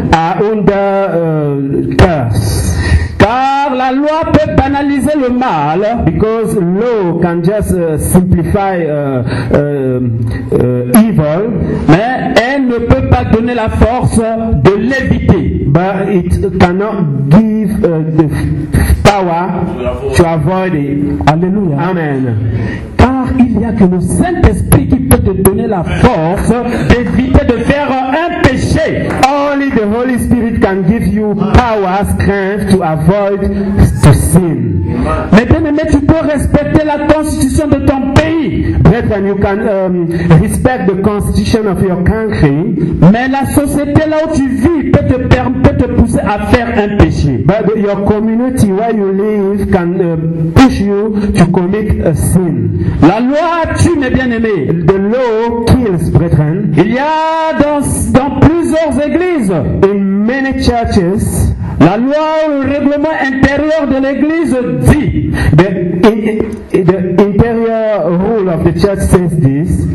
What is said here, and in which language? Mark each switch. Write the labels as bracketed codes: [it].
[en] are under curse. [fr] Car la loi peut banaliser le mal. [en] Because law can just simplify evil. [fr] Mais elle ne peut pas donner la force de l'éviter. [en] But it cannot give the power to avoid it. Alléluia. Amen. [fr] Car il n'y a que le Saint-Esprit qui peut te donner la force d'éviter de faire un péché. [en] Only the Holy Spirit can give you power, strength to avoid to sin. [fr] Mais bien aimé, tu peux respecter la constitution de ton pays. [en] Brethren, you can respect the constitution of your country. [fr] Mais la société là où tu vis peut te permettre, peut te pousser à faire un péché. [en] But your community where you live can push you to commit a sin. [fr] La loi tue, mes bien-aimés. [en] The law kills, brethren. [fr] Il y a dans plusieurs églises, [en] in many churches, [fr] la loi ou le règlement intérieur de l'église dit, [en] the interior rule of the church says this.